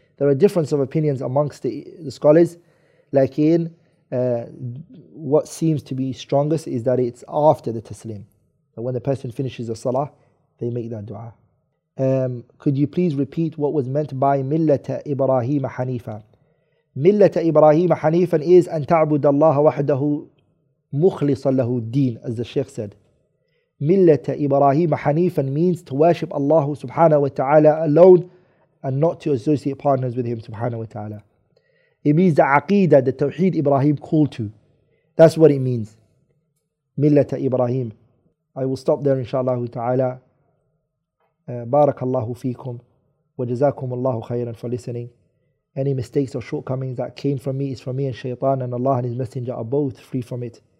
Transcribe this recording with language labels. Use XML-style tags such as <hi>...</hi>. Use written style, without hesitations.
<en>There are differences of opinions amongst the scholars. Like in what seems to be strongest is that it's after the taslim. But when the person finishes the salah, they make that dua. Could you please repeat what was meant by millata Ibrahim Hanifa?</en> <ar>ملت إبراهيم حنيفا</ar> <en>is</en> <ar>أن تعبد الله وحده مخلصا له الدين,</ar> <en>as the Sheikh said.</en> <ar>ملت إبراهيم حنيفا</ar> <en>means to worship Allah subhanahu wa ta'ala alone and not to associate partners with him subhanahu wa ta'ala. It means the aqeedah, the tawheed Ibrahim called to. That's what it means.</en> <ar>ملت إبراهيم.</ar> <en>I will stop there inshallah ta'ala.</en> <ar>بارك الله فيكم وجزاكم الله خيرا</ar> <en>for listening. Any mistakes or shortcomings that came from me is from me and Shaytan, and Allah and His Messenger are both free from it.</en>